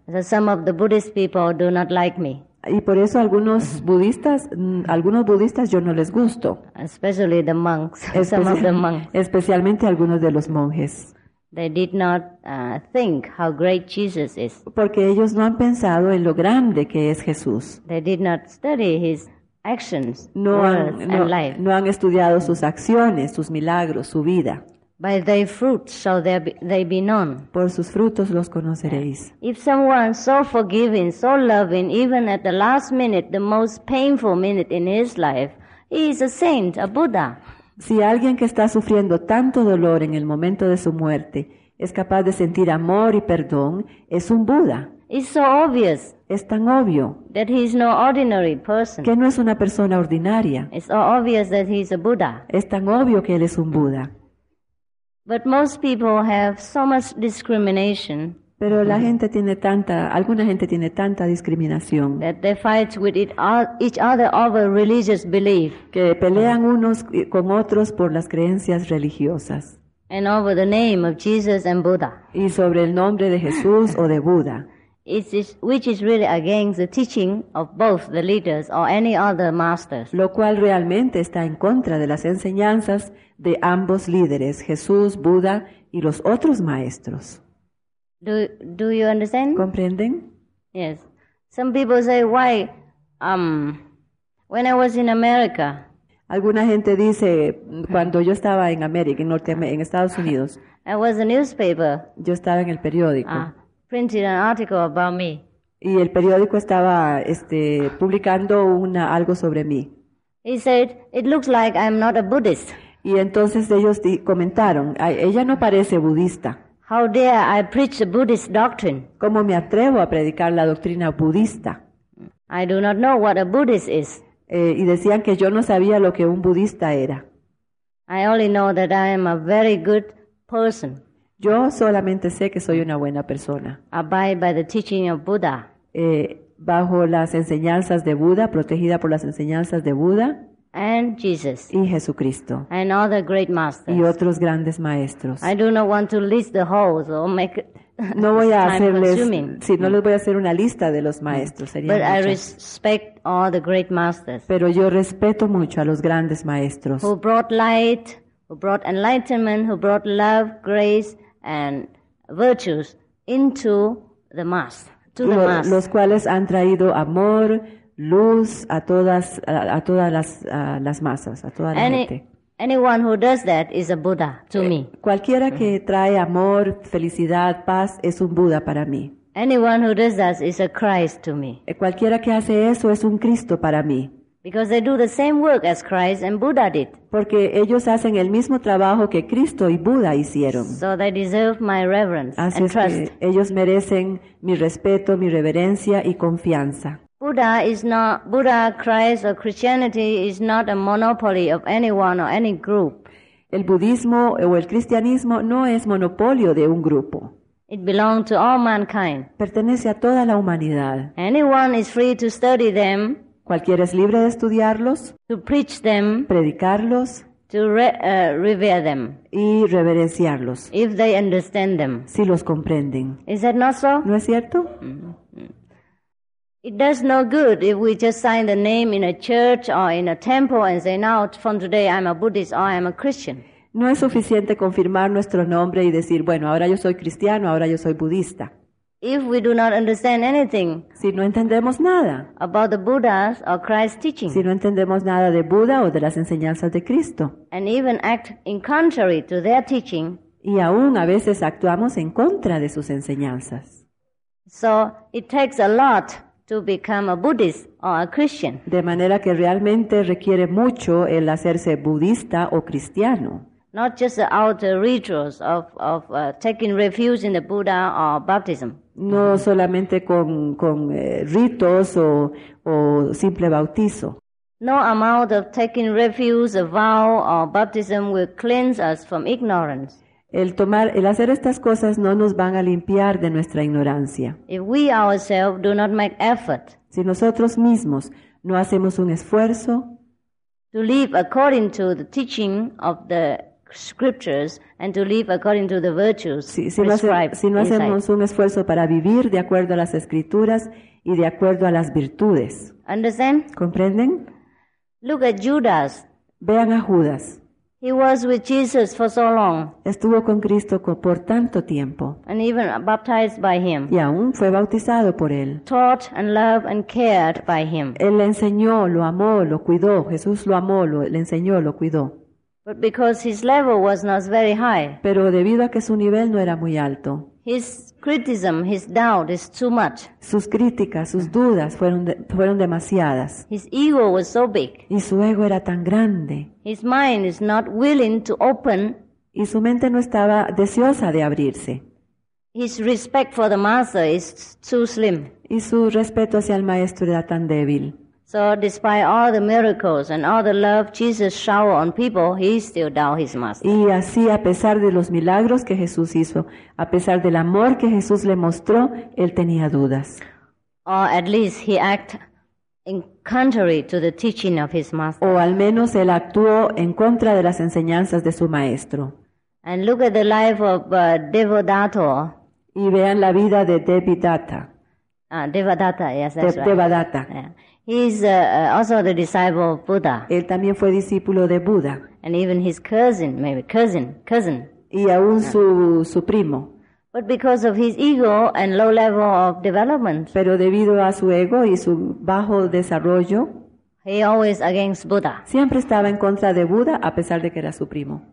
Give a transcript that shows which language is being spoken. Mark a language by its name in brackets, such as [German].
[English] So some of the Buddhist people do not like me. [Spanish] Y por eso algunos budistas yo no les gusto. [English] Especially the monks. Some of the monks. [Spanish] Especialmente algunos de los monjes. [English] They did not think how great Jesus is. [Spanish] Porque ellos no han pensado en lo grande que es Jesús. [English] They did not study his actions, and life. [Spanish] No han estudiado sus acciones, sus milagros, su vida. [English] By their fruits shall they be known. [Spanish] Por sus frutos los conoceréis. [English] If someone so forgiving, so loving, even at the last minute, the most painful minute in his life, he is a saint, a Buddha. [Spanish] Si alguien que está sufriendo tanto dolor en el momento de su muerte es capaz de sentir amor y perdón, es un Buda. [English] It's so obvious. [Spanish] Es tan obvio. [English] That he is no ordinary person. [Spanish] Que no es una persona ordinaria. [English] It's so obvious that he is a Buddha. [Spanish] Es tan obvio que él es un Buda. [English] But most people have so much discrimination. [Spanish] Pero la gente tiene tanta, alguna gente tiene tanta discriminación. [English] That they fight with each other over religious belief. [Spanish] Que pelean unos con otros por las creencias religiosas. [English] And over the name of Jesus and Buddha. [Spanish] Y sobre el nombre de Jesús o de Buda. [English] Which is really against the teaching of both the leaders or any other masters. [Spanish] Lo cual realmente está en contra de las enseñanzas de ambos líderes, Jesús, Buda y los otros maestros. [English] Do you understand? [Spanish] ¿Comprenden? [English] Yes. Some people say, why? When I was in America. [Spanish] Alguna gente dice, cuando yo estaba en América, en Estados Unidos. [English] I was a newspaper. [Spanish] Yo estaba en el periódico. [English] Printed an article about me. [Spanish] Y el periódico estaba publicando algo sobre mí. [English] He said, it looks like I'm not a Buddhist. [Spanish] Y entonces ellos comentaron, ella no parece budista. [English] How dare I preach the Buddhist doctrine? [Spanish] ¿Cómo me atrevo a predicar la doctrina budista? [English] I do not know what a Buddhist is. [Spanish] Y decían que yo no sabía lo que un budista era. [English] I only know that I am a very good person. [Spanish] Yo solamente sé que soy una buena persona. [English] Abide by the teaching of Buddha. [Spanish] Bajo las enseñanzas de Buda, protegida por las enseñanzas de Buda. [English] And Jesus. [Spanish] Y Jesucristo. [English] And other great masters. [Spanish] Y otros grandes maestros. [English] I do not want to list the holes or make [Spanish] No voy a hacerles, sí, no les voy a hacer una lista de los maestros, sería [English] But I respect all the great masters. [Spanish] Pero yo respeto mucho a los grandes maestros. [English] Who brought light, who brought enlightenment, who brought love, grace and virtues into the mass, to the mass. [Spanish] Los cuales han traído amor, luz a todas las masas, a toda la gente. [English] Anyone who does that is a Buddha to me. [Spanish] Cualquiera que trae amor, felicidad, paz es un Buddha para mí. [English] Anyone who does that is a Christ to me. [Spanish] Cualquiera que hace eso es un Cristo para mí. [English] Because they do the same work as Christ and Buddha did. [Spanish] Porque ellos hacen el mismo trabajo que Cristo y Buda hicieron. [English] So they deserve my reverence [Spanish] Así [English] and trust. [Spanish] Así es que ellos merecen mi respeto, mi reverencia y confianza. [English] Buddha, Christ, or Christianity is not a monopoly of anyone or any group. [Spanish] El budismo o el cristianismo no es monopolio de un grupo. [English] It belongs to all mankind. [Spanish] Pertenece a toda la humanidad. [English] Anyone is free to study them. [Spanish] Cualquiera es libre de estudiarlos. [English] To preach them. [Spanish] Predicarlos. [English] To revere them. [Spanish] Y reverenciarlos. [English] If they understand them. [Spanish] Si los comprenden. [English] Is that not so? [Spanish] ¿No es cierto? [English] It does no good if we just sign the name in a church or in a temple and say, now from today I'm a Buddhist or I'm a Christian. [Spanish] No es suficiente confirmar nuestro nombre y decir, bueno, ahora yo soy cristiano, ahora yo soy budista. [English] If we do not understand anything. [Spanish] Si no entendemos nada. [English] About the Buddha's or Christ's teaching. [Spanish] Si no entendemos nada de Buda o de las enseñanzas de Cristo. [English] And even act in contrary to their teaching. [Spanish] Y aún a veces actuamos en contra de sus enseñanzas. [English] So it takes a lot. To become a Buddhist or a Christian. [Spanish] De manera que realmente requiere mucho el hacerse budista o cristiano. [English] Not just the outer rituals of taking refuge in the Buddha or baptism. [Spanish] No solamente con ritos o simple bautizo. [English] No amount of taking refuge, a vow or baptism will cleanse us from ignorance. [Spanish] El hacer estas cosas no nos van a limpiar de nuestra ignorancia. [English] If we ourselves do not make effort, [Spanish] si nosotros mismos no hacemos un esfuerzo, [English] to live according to the teaching of the scriptures and to live according to the virtues prescribed. [Spanish] Si no hacemos un esfuerzo para vivir de acuerdo a las escrituras y de acuerdo a las virtudes. [English] Understand? [Spanish] ¿Comprenden? [English] Look at Judas. [Spanish] Vean a Judas. [English] He was with Jesus for so long. [Spanish] Estuvo con Cristo por tanto tiempo. [English] And even baptized by him. [Spanish] Y aún fue bautizado por él. [English] Taught and loved and cared by him. [Spanish] Él le enseñó, lo amó, lo cuidó. Jesús lo amó, le enseñó, lo cuidó. [English] But because his level was not very high. [Spanish] Pero debido a que su nivel no era muy alto. [English] His criticism, his doubt is too much. [Spanish] Sus críticas, sus dudas fueron demasiadas. [English] His ego was so big. [Spanish] Y su ego era tan grande. [English] His mind is not willing to open. [Spanish] Y su mente no estaba deseosa de abrirse. [English] His respect for the master is too slim. [Spanish] Y su respeto hacia el maestro era tan débil. [English] So despite all the miracles and all the love Jesus showered on people, he still doubted his master. [Spanish] Y así, a pesar de los milagros que Jesús hizo, a pesar del amor que Jesús le mostró, él tenía dudas. [English] Or at least he acted in contrary to the teaching of his master. [Spanish] O al menos él actuó en contra de las enseñanzas de su maestro. [English] And look at the life of Devadatta. [Spanish] Y vean la vida de Devadatta. [English] Devadatta, yes, that's right. [Spanish] Devadatta. [English] Yeah. He's also the disciple of Buddha. [Spanish] Él también fue discípulo de Buddha. [English] And even his cousin, maybe cousin. [Spanish] Y aún su primo. [English] But because of his ego and low level of development. [Spanish] Pero debido a su ego y su bajo desarrollo. [English] He always against Buddha. [Spanish] Siempre estaba en contra de Buddha a pesar de que era su primo.